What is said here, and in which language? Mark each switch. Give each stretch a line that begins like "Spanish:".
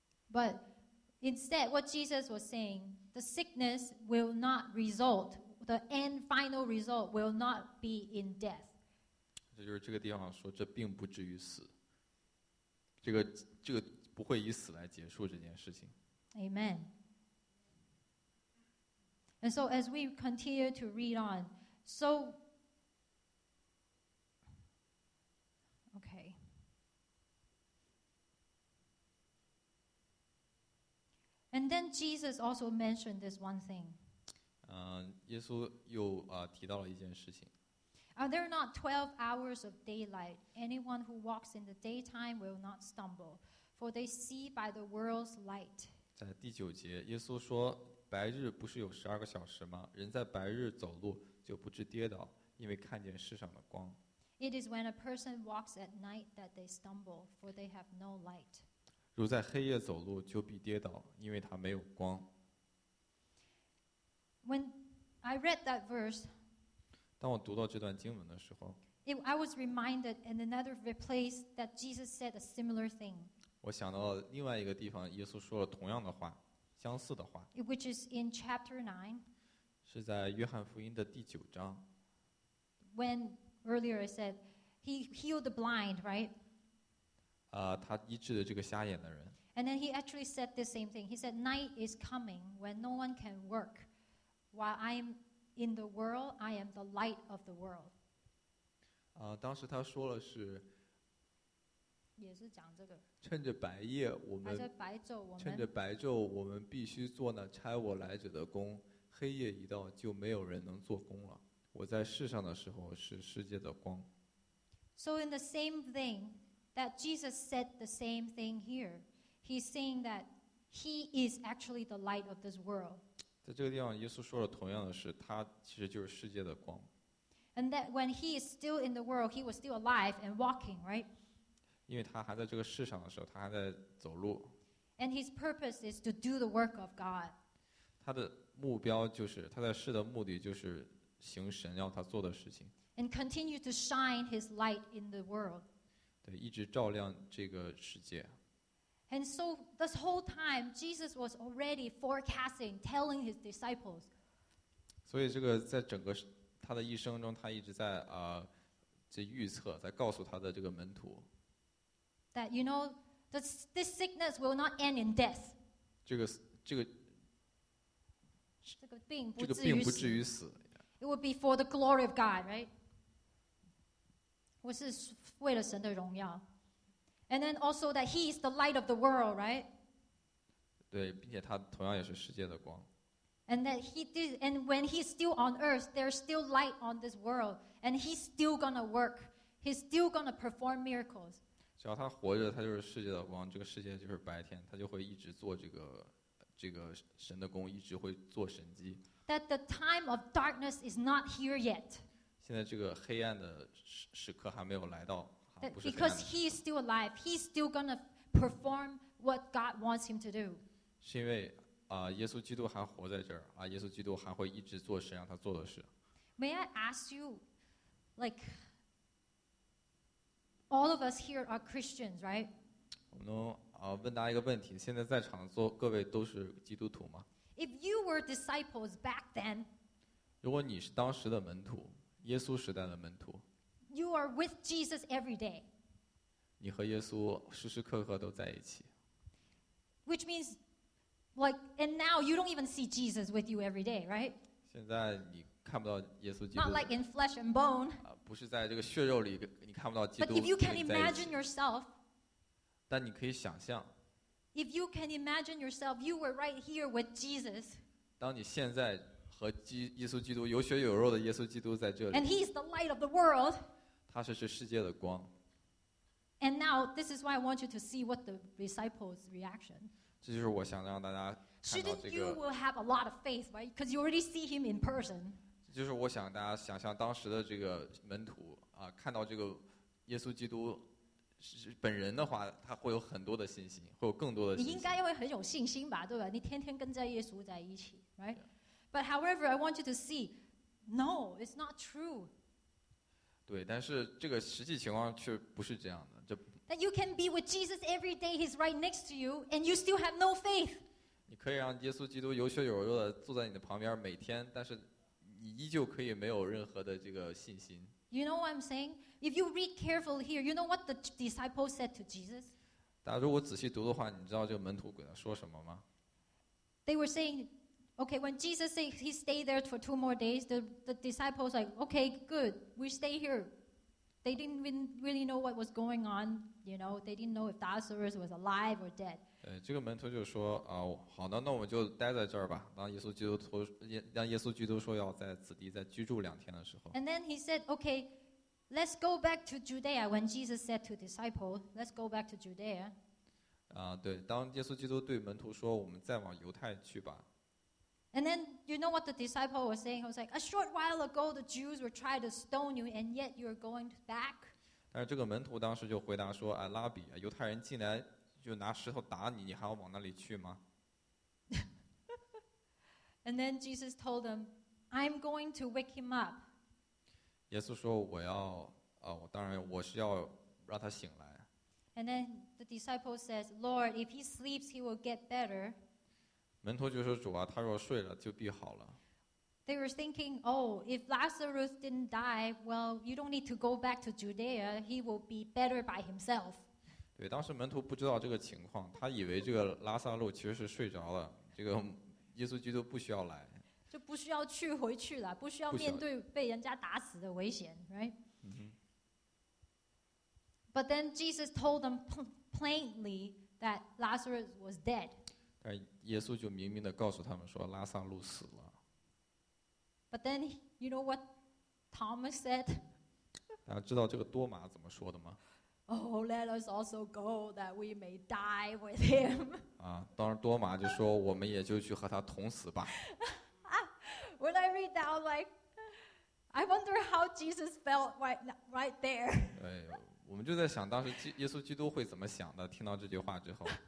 English: But instead, what Jesus was saying, the sickness will not result. The end final result will not be in death.
Chinese: 这就是这个地方说这并不至于死，这个不会以死来结束这件事情。
English: Amen. And so as we continue to read on, so okay. And then Jesus also mentioned this one thing.
Chinese: 耶稣又提到了一件事情。
English: Are there not 12 hours of daylight? Anyone who walks in the daytime will not stumble, for they see by the world's light.
Chinese: 在第九节，耶稣说：“白日不是有十二个小时吗？人在白日走路就不致跌倒，因为看见世上的光。”
English: It is when a person walks at night that they stumble, for they have no light.
Chinese: 如在黑夜走路，就必跌倒，因为他没有光。
English: When I read that verse,
Chinese: 当我读到这段经文的时候
English: I was reminded in another place that Jesus said a similar thing.
Chinese: 我想到另外一个地方，耶稣说了同样的话，相似的话。
English: Which is in chapter 9.
Chinese: 是在约翰福音的第九章。
English: When earlier I said he healed the blind, right?
Chinese: 他医治了这个瞎眼的人。
English: And then he actually said the same thing. He said, "Night is coming when no one can work." While I am in the world, I am the light of the world.
Chinese: 当时他说了是，也是讲这个。趁着白夜，我们趁着白昼，我们必须做那差我来者的工。黑夜一到，就没有人能做工了。我在世上的时候是世界的光。
English: So in the same thing that Jesus said the same thing here, he's saying that he is actually the light of this world.
Chinese: 在这个地方耶稣说了同样的事，他其实就是世界的光。
English: And that when he is still in the world, he was still alive and walking, right?
Chinese: 因为他还在这个世上的时候，他还在走路。
English: And his purpose is to do the work of God.
Chinese: 他的目标就是，他在世的目的就是行神要他做的事情。
English: And continue to shine his light in the world.
Chinese: 对，一直照亮这个世界。
English: And so this whole time, Jesus was already forecasting, telling his disciples.
Chinese: 所以这个在整个他的一生中，他一直在这预测，在告诉他的这个门徒。
English: That you know, this sickness will not end in death.
Chinese: 这个病不至于死。
English: It would be for the glory of God, right?
Chinese: 我是为了神的荣耀。
English: And then also that he is the light of the world, right?
Chinese: 对，并且他同样也是世界的光。
English: And that he did, and when he's still on earth, there's still light on this world, and he's still gonna work. He's still gonna perform miracles.
Chinese: 只要他活着，他就是世界的光。这个世界就是白天，他就会一直做这个神的工，一直会做神迹。
English: That the time of darkness is not here yet.
Chinese: 现在这个黑暗的时刻还没有来到。
English: Because he is still alive, he's still gonna perform what God wants him to do.
Chinese: 是因为耶稣基督还活在这儿啊，耶稣基督还会一直做神让他做的事。
English: May I ask you, like, all of us here are Christians, right?
Chinese: 我能问大家一个问题，现在在场做各位都是基督徒吗
English: ？If you were disciples back then,
Chinese: 如果你是当时的门徒，耶稣时代的门徒
English: ，You are with Jesus every day.
Chinese: 你和耶稣时时刻刻都在一起。
English: Which means, like, and now you don't even see Jesus with you every day, right?
Chinese: 现在你看不到耶稣基督。
English: Not like in flesh and bone.
Chinese: 不是在这个血肉里，你看不到基督。
English: But if you can imagine yourself.
Chinese: 但你可以想象。
English: If you can imagine yourself, you were right here with Jesus.
Chinese: 当你现在。和耶稣基督有血有肉的耶稣基督在这里。
English: And he's the light of the world.
Chinese: 他是这世界的光。
English: And now this is why I want you to see what the disciples' reaction.
Chinese: 这就是我想让大家看到这个。
English: Shouldn't you will have a lot of faith, right? Because you already see him in person.
Chinese: 这就是我想大家想象当时的这个门徒啊，看到这个耶稣基督本人的话，他会有很多的信心，会有更多的信心。你应该会很有信心吧，对吧？你天天跟在耶稣在一起 ，
English: right? Yeah. But however, I want you to see, no, it's not true.
Chinese: 对，但是这个实际情况却不是这样的。这
English: That you can be with Jesus every day, he's right next to you, and you still have no faith.
Chinese: 你可以让耶稣基督有血有肉的坐在你的旁边每天，但是你依旧可以没有任何的这个信心。
English: You know what I'm saying? If you read carefully here, you know what the disciples said to Jesus?
Chinese: 大家如果仔细读的话，你知道这个门徒给他说什么吗？
English: They were saying. Okay, when Jesus said he stayed there for two more days, the disciples were like, okay, good, we stay here. They didn't really know what was going on, you know, they didn't know if Lazarus was alive or dead.
Chinese: 这个门徒就说，好的，那我们就待在这儿吧。当耶稣基督说要在此地再居住两天的时候。
English: And then he said, okay, let's go back to Judea. When Jesus said to disciples, let's go back to Judea.
Chinese: 对，当耶稣基督对门徒说，我们再往犹太去吧。
English: And then you know what the disciple was saying? He was like, "A short while ago, the Jews were trying to stone you, and yet you're going back."
Chinese: 但是这个门徒当时就回答说：“啊，拉比，犹太人进来就拿石头打你，你还要往那里去吗？”
English: And then Jesus told them, "I'm going to wake him up."
Chinese: 耶稣说：“我要我当然我是要让他醒来。”
English: And then the disciple says, "Lord, if he sleeps, he will get better."
Chinese: 门徒就说主啊他若睡了就必好了
English: They were thinking oh if Lazarus didn't die well you don't need to go back to Judea he will be better by himself
Chinese: 对当时门徒不知道这个情况他以为这个拉撒路其实是睡着了这个耶稣基督不需要来就不需要去回去了不需要面对被人家打死的危险
English: right、 mm-hmm. but then Jesus told them plainly that Lazarus was dead
Chinese: 但耶稣就明明地告诉他们说拉撒路死了
English: But then you know what Thomas said
Chinese: 大家知道这个多马怎么说的吗
English: Oh let us also go that we may die with him
Chinese: 当然多马就说我们也就去和他同死吧
English: When I read that I'm like I wonder how Jesus felt right there
Chinese: 对我们就在想当时耶稣基督会怎么想的听到这句话之后